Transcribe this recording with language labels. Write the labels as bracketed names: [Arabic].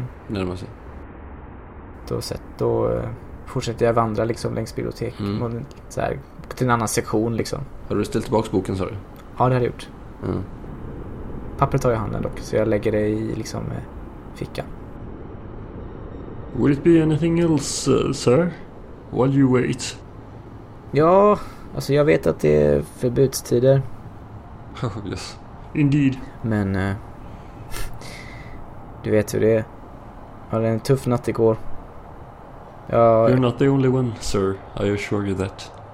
[Swedish] Mm. Då fortsätter jag vandra liksom längs biblioteket. Mm. Så här, till en annan sektion liksom. Har du ställt tillbaka boken, sa du? Ja, det har jag gjort. Mm. Pappret tar jag i handen dock, så jag lägger det i liksom fickan. [English] Will it be anything else, sir, while you wait? [Swedish] Ja, alltså jag vet att det är förbudstider. [English] Oh, yes, indeed. [Swedish] Men du vet hur det är. Jag hade en tuff natt igår. [English] You're not the only one, sir. I assure you that.